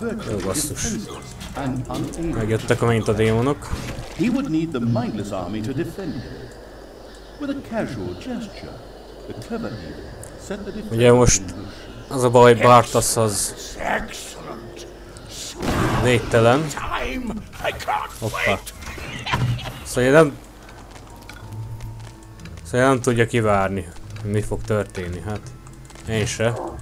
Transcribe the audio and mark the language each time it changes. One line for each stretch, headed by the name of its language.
Hungarian: Jó, basszus. Megjöttek a mennyit a démonok.
English: He would need the mindless army to defend him. With a casual gesture, the clever leader set the defense.
Hungarian: Ugye most az a baj, Barthas az végtelen. Hoppa. Szóval nem tudja kivárni, mi fog történni, hát én se.